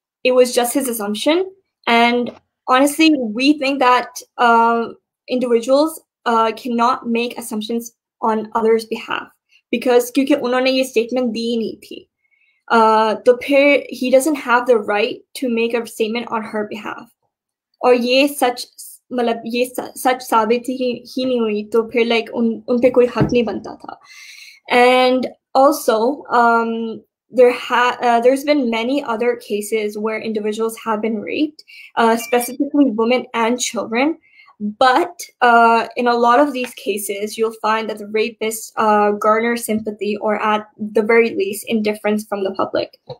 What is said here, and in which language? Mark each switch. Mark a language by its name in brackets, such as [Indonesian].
[English] It was just his assumption. And honestly, we think that individuals cannot make assumptions on others' behalf because [Urdu] کیونکہ انہونے یے statement دی نہیں تھی، تو پھر [English] he doesn't have the right to make a statement on her behalf. [Urdu] اور یے سچ مطلب یے سچ ثابت ہی نہیں ہوئی، تو پھر like ان پے کوئی حق نہیں بنتا تھا۔ [English] And also there's been many other cases where individuals have been raped, specifically women and children. But in a lot of these cases, you'll find that the rapists garner sympathy or at the very least indifference from the public.